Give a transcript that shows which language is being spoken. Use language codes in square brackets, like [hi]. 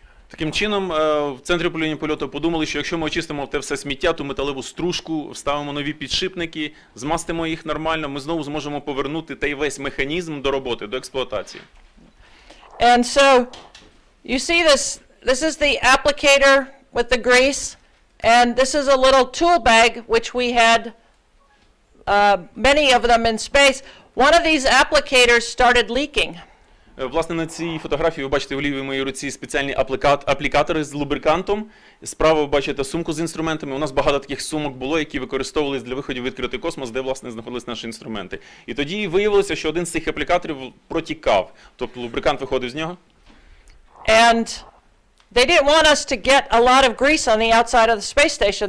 [uk] Таким чином, в центрі управління польоту подумали, що якщо ми очистимо те все сміття, ту металеву стружку, вставимо нові підшипники, змастимо їх нормально, ми знову зможемо повернути той весь механізм до роботи, до експлуатації. [en] And so, you see this, this is the applicator with the grease, and this is a little tool bag, which we had many of them in space. One of these applicators started leaking. [uk] Власне, на цій фотографії ви бачите в лівій моїй руці спеціальні аплікатори з лубрикантом. Справа ви бачите сумку з інструментами. У нас багато таких сумок було, які використовувались для виходів у відкритий космос, де, власне, знаходились наші інструменти. І тоді виявилося, що один з цих аплікаторів протікав. Тобто лубрикант виходив з нього. [en] And they didn't want us to get a lot of grease on the outside of the space station.